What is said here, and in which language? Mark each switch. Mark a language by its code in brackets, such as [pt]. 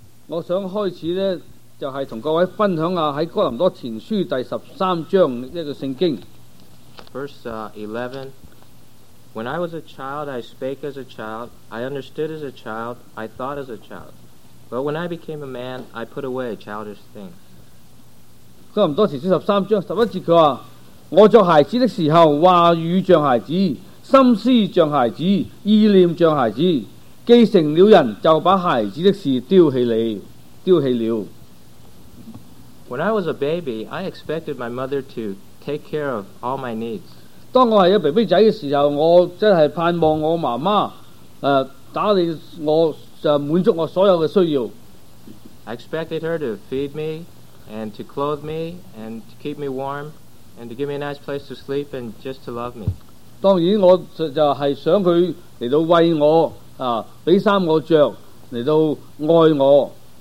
[yue] 我想開始咧，就係同各位分享下喺哥林多前書第十三章呢個聖經。 [en] Verse 11. When I was a child, I spake as a child, I understood as a child, I thought as a child. But when I became a man, I put away childish things. [yue] 哥林多前書十三章十一節，佢話：我作孩子的時候，話語像孩子，心思像孩子，意念像孩子。既成了人，就把孩子的事丟棄了。 [en] When I was a baby, I expected my mother to take care of all my needs. [yue] 當我係一個 baby 仔嘅時候，我真係盼望我媽媽打理我，滿足我所有嘅需要。 [en] I expected her to feed me and to clothe me and to keep me warm and to give me a nice place to sleep and just to love me. [yue] 當然我就係想佢嚟到餵我俾衫我著，嚟到愛我。